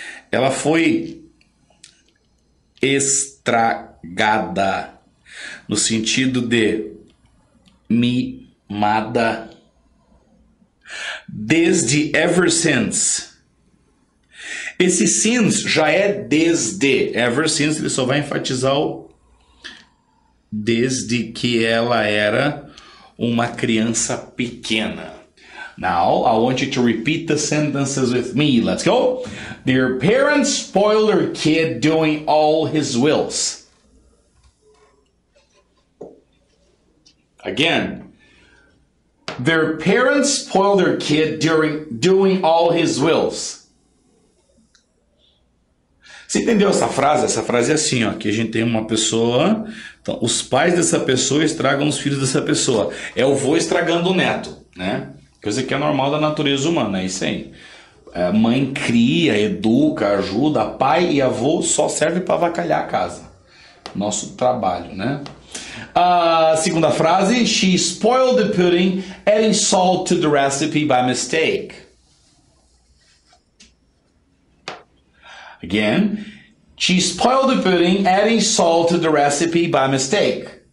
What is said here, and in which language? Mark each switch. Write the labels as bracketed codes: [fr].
[pt] Ela foi estragada, no sentido de mimada, desde, [en] ever since. [pt] Esse since já é desde, [en] ever since, [pt] ele só vai enfatizar o desde que ela era uma criança pequena. [en] Now, I want you to repeat the sentences with me. Let's go. Their parents spoiled their kid doing all his wills. Again. Their parents spoiled their kid doing all his wills. [pt] Você entendeu essa frase? Essa frase é assim, ó, que a gente tem uma pessoa, então, os pais dessa pessoa estragam os filhos dessa pessoa. É o vô estragando o neto, né? Coisa que é normal da natureza humana, é isso aí. Mãe cria, educa, ajuda, pai e avô só serve para avacalhar a casa. Nosso trabalho, né? A segunda frase: [en] she spoiled the pudding adding salt to the recipe by mistake. Again, she spoiled the pudding adding salt to the recipe by mistake.